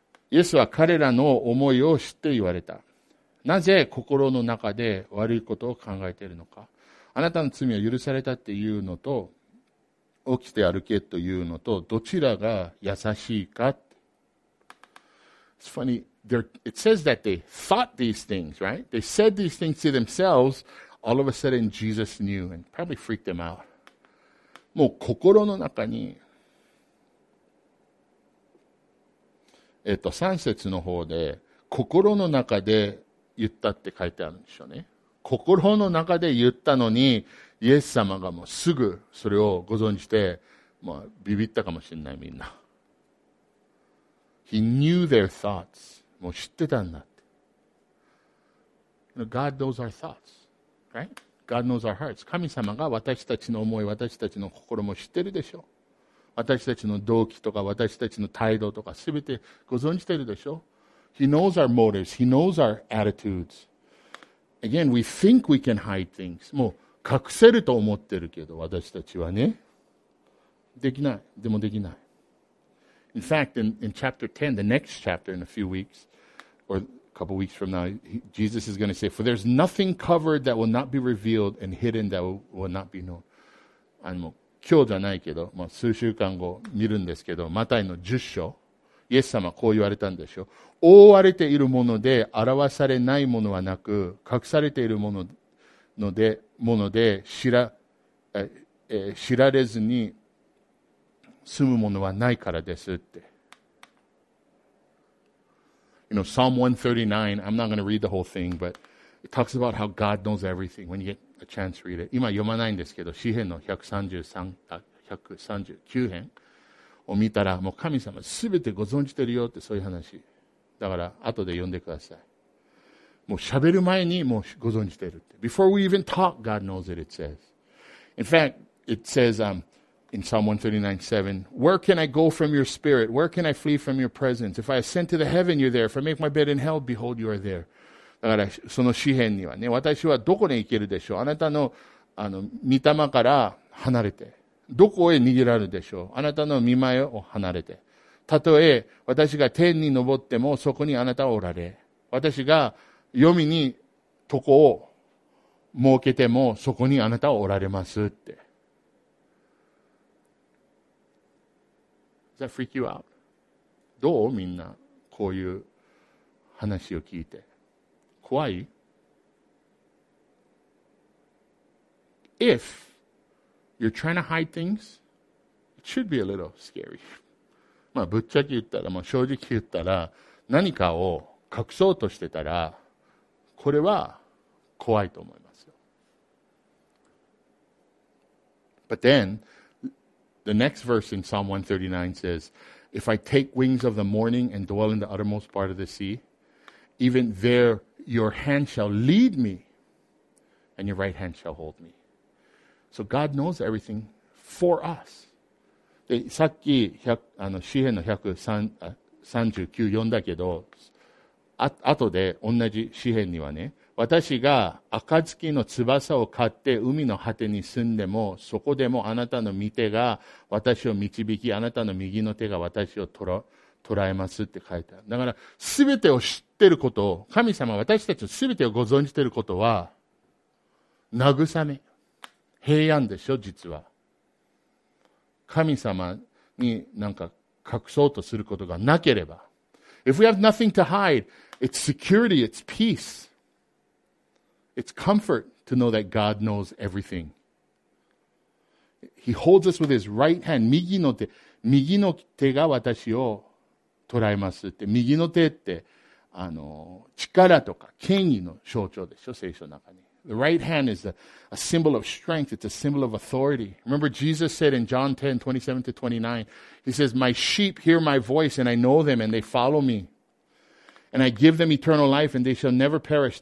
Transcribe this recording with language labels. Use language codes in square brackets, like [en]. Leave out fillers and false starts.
[ja] イエスは彼らの思いを知って言われた。なぜ心の中で悪いことを考えているのか。あなたの罪は許されたっていうのと、起きて歩けというのと、どちらが優しいか。 [en] It's funny. It says that they thought these things, right? They said these things to themselves. All of a sudden, Jesus knew and probably freaked them out. [ja] もう心の中に、3節の方で、心の中で言ったって書いてあるんでしょうね。心の中で言ったのに、イエス様がもうすぐそれをご存じて、まあ、ビビったかもしれない、みんな。 [en] He knew their thoughts. [ja] もう知ってたんだって。 [en] You know, God knows our thoughts, right? God knows our hearts. [ja] 神様が私たちの思い、私たちの心も知ってるでしょ。私たちの動機とか、私たちの態度とか、すべてご存じてるでしょ。 [en] He knows our motives. He knows our attitudes. Again, we think we can hide things. [ja] もう隠せると思ってるけど、私たちはね。できない。でもできない。 [en] In fact, in chapter 10, the next chapter in a few weeks, or a couple weeks from now, Jesus is going to say, For there's nothing covered that will not be revealed and hidden that will not be known. [ja] あの、今日じゃないけど、まあ、数週間後見るんですけど、マタイの10章、イエス様こう言われたんでしょ。覆われているもので、表されないものはなく、隠されているもので知られずに住むものはないからですって。 [en] You know, Psalm 139, I'm not going to read the whole thing, but it talks about how God knows everything. When you get a chance, read it. [ja] 今読まないんですけど、詩編の139編を見たら、もう神様すべてご存じてるよって、そういう話。だから、後で読んでください。もう喋る前にもうご存じてるって。 [en] Before we even talk, God knows it, it says. In fact, it says, in Psalm 139:7, where can I go from your spirit? Where can I flee from your presence? If I ascend to the heaven, you're there. If I make my bed in hell, behold, you are there. [ja] だから、その詩編にはね、私はどこに行けるでしょう？あなたの、御霊から離れて。どこへ逃げられるでしょう？あなたの御前を離れて。たとえ、私が天に登っても、そこにあなたはおられ。私が、黄泉に床を設けても、そこにあなたはおられますって。 [en] Does that freak you out? [ja] どう？みんな、こういう話を聞いて。怖い？ [en] If you're trying to hide things, it should be a little scary. [ja] まあ、ぶっちゃけ言ったら、まあ、正直言ったら、何かを隠そうとしてたら、これは怖いと思いますよ。 [en] But then, the next verse in Psalm 139 says, If I take wings of the morning and dwell in the uttermost part of the sea, even there your hand shall lead me and your right hand shall hold me. So God knows everything for us. [ja] で、さっき詩編の139読んだけど、あとで同じ詩編にはね、私が暁の翼を買って海の果てに住んでも、そこでもあなたの御手が私を導き、あなたの右の手が私を捉えますって書いてある。だから、すべてを知ってることを、神様私たちのすべてをご存じていることは、慰め。平安でしょ、実は。神様になんか隠そうとすることがなければ。 [en] If we have nothing to hide, it's security, it's peace. It's comfort to know that God knows everything. He holds us with his right hand, [ja] 右の手が私を捉えますって。右の手って、力とか権威の象徴でしょ、聖書の中に。 [en] The right hand is a symbol of strength. It's a symbol of authority. Remember Jesus said in John 10:27-29, He says, My sheep hear my voice and I know them and they follow me. And I give them eternal life and they shall never perish.